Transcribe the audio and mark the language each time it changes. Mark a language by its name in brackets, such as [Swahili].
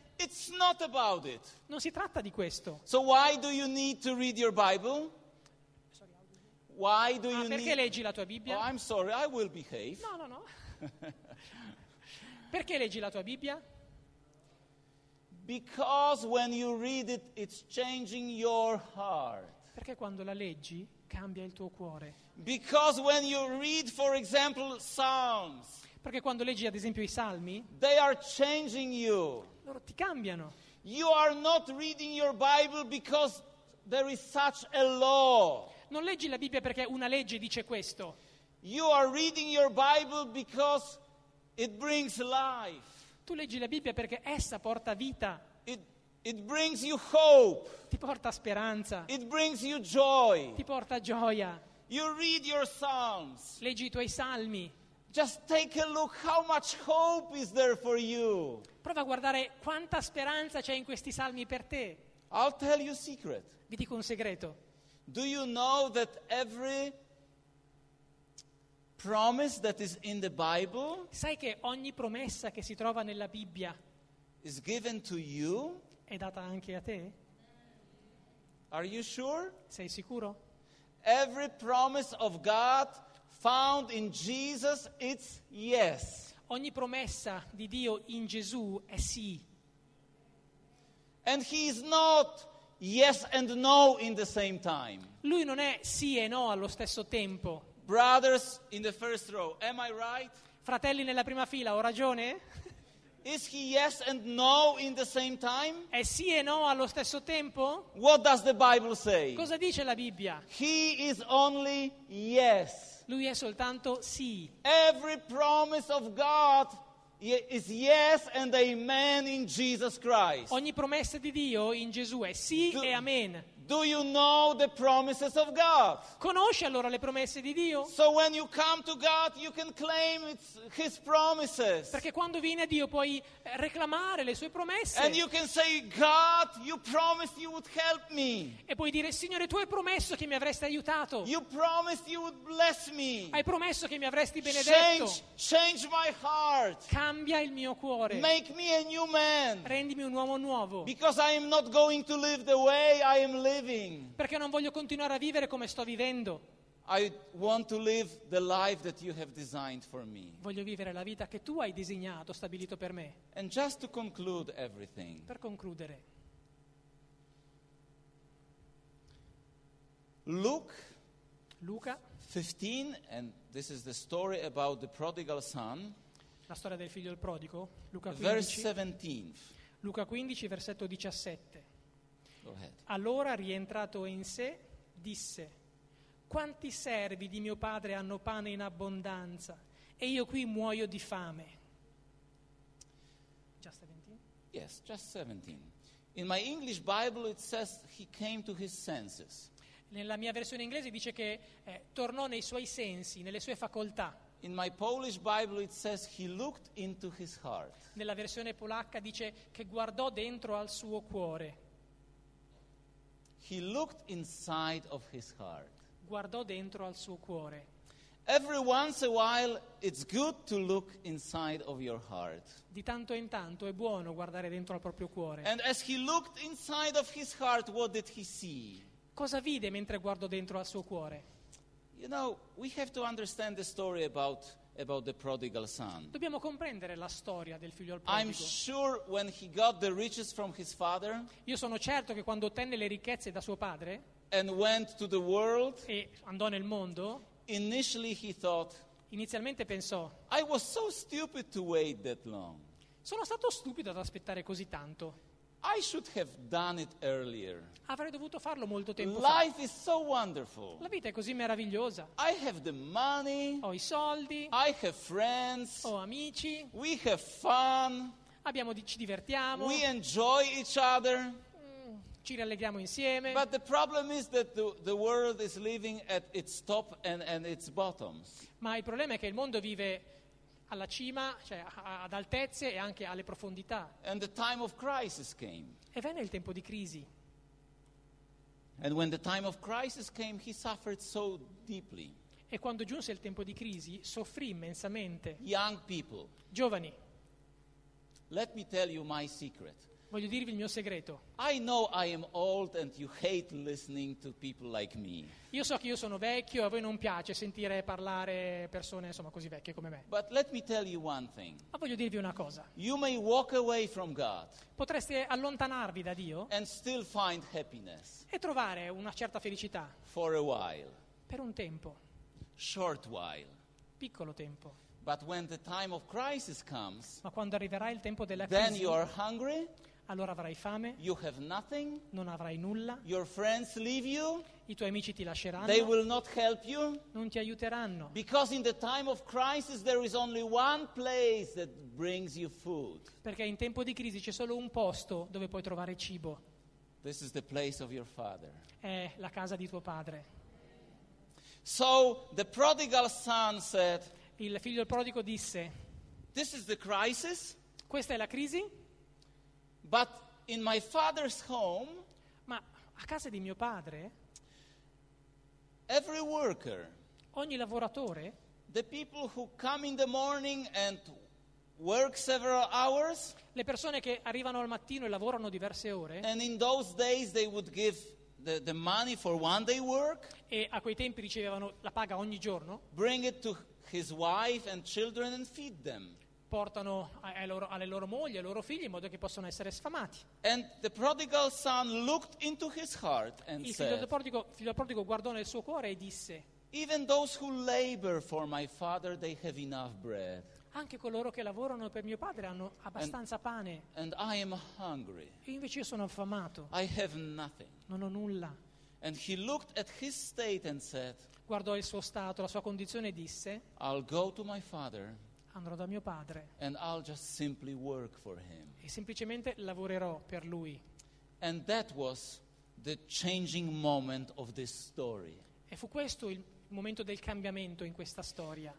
[English] It's not about it. [Italian] Non si tratta di questo. [English] So why do you need to read your Bible? Why do you [Italian] perché [English] need... [Italian] leggi la tua Bibbia? [English] Oh, I'm sorry, I will behave. No. [Italian] Perché leggi la tua Bibbia? [English] Because when you read it, it's changing your heart. [Italian] Perché quando la leggi cambia il tuo cuore. [English] Because when you read, for example, Psalms. [Italian] Perché quando leggi ad esempio i salmi, [English] they are changing you. [Italian] Loro ti cambiano. [English] You are not reading your Bible because there is such a law. [Italian] Non leggi la Bibbia perché una legge dice questo. [English] You are reading your Bible because it brings life. [Italian] Tu leggi la Bibbia perché essa porta vita. [English] It brings you hope. [Italian] Ti porta speranza. [English] It brings you joy. [Italian] Ti porta gioia. [English] You read your Psalms. [Italian] Leggi i tuoi salmi. [English] Just take a look how much hope is there for you. [Italian] Prova a guardare quanta speranza c'è in questi salmi per te. [English] I'll tell you a secret. [Italian] Vi dico un segreto. [English] Do you know that every promise that is in the Bible? [Italian] Sai che ogni promessa che si trova nella Bibbia [English] is given to you? [Italian] È data anche a te? [English] Are you sure? [Italian] Sei sicuro? [English] Every promise of God found in Jesus, it's yes. [Italian] Ogni promessa di Dio in Gesù è sì. [English] And He is not yes and no in the same time. [Italian] Lui non è sì e no allo stesso tempo. [English] Brothers in the first row, am I right? [Italian] Fratelli nella prima fila, ho ragione? [English] Is He yes and no in the same time? [Italian] È sì e no allo stesso tempo? [English] What does the Bible say? [Italian] Cosa dice la Bibbia? [English] He is only yes. [Italian] Lui è soltanto sì. [English] Every promise of God is yes and amen in Jesus Christ. [Italian] Ogni promessa di Dio in Gesù è sì e amen. [English] Do you know the promises of God? [Italian] Conosci allora le promesse di Dio? [English] So when you come to God, you can claim it's His promises. [Italian] Perché quando vieni a Dio puoi reclamare le sue promesse. [English] And you can say, God, you promised you would help me. [Italian] E puoi dire, Signore, tu hai promesso che mi avresti aiutato. [English] You promised you would bless me. [Italian] Hai promesso che mi avresti benedetto. [English] Change my heart. [Italian] Cambia il mio cuore. [English] Make me a new man. [Italian] Rendimi un uomo nuovo. [English] Because I am not going to live the way I am living. [Italian] Perché non voglio continuare a vivere come sto vivendo. [English] I want to live the life that you have designed for me. [Italian] Voglio vivere la vita che tu hai disegnato, stabilito per me. [English] And just to conclude everything. [Italian] Per concludere. [English] Luca 15, and this is the story about the prodigal son. [Italian] La storia del figlio del prodigo, Luca 15. [English] Verse 17. [Italian] Luca 15, versetto 17. Allora, rientrato in sé, disse: quanti servi di mio padre hanno pane in abbondanza e io qui muoio di fame. [English] Just 17? Yes, just 17. In my English Bible it says he came to his senses. [Italian] Nella mia versione inglese dice che tornò nei suoi sensi, nelle sue facoltà. [English] In my Polish Bible it says he looked into his heart. [Italian] Nella versione polacca dice che guardò dentro al suo cuore. [English] He looked inside of his heart. [Italian] Guardò dentro al suo cuore. [English] Every once a while it's good to look inside of your heart. [Italian] Di tanto in tanto è buono guardare dentro al proprio cuore. [English] And as he looked inside of his heart, what did he see? [Italian] Cosa vide mentre guardò dentro al suo cuore? [English] You know, we have to understand the story about the prodigal son. [Italian] Dobbiamo comprendere la storia del figlio al prodigo. [English] I'm sure when he got the riches from his father. [Italian] Io sono certo che quando ottenne le ricchezze da suo padre. [English] And went to the world. [Italian] E andò nel mondo. [English] Initially he thought. [Italian] Inizialmente pensò. [English] I was so stupid to wait that long. [Italian] Sono stato stupido ad aspettare così tanto. [English] I should have done it earlier. [Italian] Avrei dovuto farlo molto tempo fa. [English] Life is so wonderful. [Italian] La vita è così meravigliosa. [English] I have the money. [Italian] Ho i soldi. [English] I have friends. [Italian] Ho amici. [English] We have fun. [Italian] Ci divertiamo. [English] We enjoy each other. [Italian] Ci rallegriamo insieme. [English] But the problem is that the world is living at its top and its bottoms. [Italian] Ma il problema è che il mondo vive alla cima, cioè ad altezze e anche alle profondità. [English] And the time of crisis came. [Italian] E venne il tempo di crisi. [English] And when the time of crisis came, he suffered so deeply. [Italian] E quando giunse il tempo di crisi, soffrì immensamente. [English] Young people. [Italian] Giovani. [English] Let me tell you my secret. [Italian] Voglio dirvi il mio segreto. [English] I know I am old and you hate listening to people like me. [Italian] Io so che io sono vecchio e a voi non piace sentire parlare persone, insomma, così vecchie come me. [English] But let me tell you one thing. [Italian] Ma voglio dirvi una cosa. [English] You may walk away from God. [Italian] Potreste allontanarvi da Dio. [English] And still find happiness. [Italian] E trovare una certa felicità. [English] For a while. [Italian] Per un tempo. [English] Short while. [Italian] Piccolo tempo. [English] But when the time of crisis comes. [Italian] Ma quando arriverà il tempo della crisi. [English] Then you are hungry. [Italian] Allora avrai fame. [English] You have nothing. [Italian] Non avrai nulla. [English] Your friends leave you. [Italian] I tuoi amici ti lasceranno. [English] They will not help you. [Italian] Non ti aiuteranno. [English] Because in the time of crisis there is only one place that brings you food. [Italian] Perché in tempo di crisi c'è solo un posto dove puoi trovare cibo. [English] This is the place of your father. [Italian] È la casa di tuo padre. [English] So the prodigal son said. [Italian] Il figlio del prodigo disse. [English] This is the crisis. [Italian] Questa è la crisi. [English] But in my father's home, [Italian] ma a casa di mio padre, [English] every worker, [Italian] ogni lavoratore, [English] the people who come in the morning and work several hours, [Italian] le persone che arrivano al mattino e lavorano diverse ore, [English] and in those days they would give the money for one day work, [Italian] e a quei tempi ricevevano la paga ogni giorno, [English] bring it to his wife and children and feed them. [Italian] Portano alle loro mogli, ai loro figli, in modo che possano essere sfamati. [English] And the prodigal son looked into his heart and said. [Italian] Il figlio prodigo guardò nel suo cuore e disse. [English] Even those who labor for my father, they have enough bread. [Italian] Anche coloro che lavorano per mio padre hanno abbastanza pane. [English] And I am hungry. [Italian] E invece io sono affamato. [English] I have nothing. [Italian] Non ho nulla. [English] And he looked at his state and said. [Italian] Guardò il suo stato, la sua condizione e disse. [English] I'll go to my father. [Italian] Andrò da mio padre. [English] And I'll just simply work for him. [Italian] E semplicemente lavorerò per lui. [English] And that was the changing moment of this story. [Italian] E fu questo il momento del cambiamento in questa storia.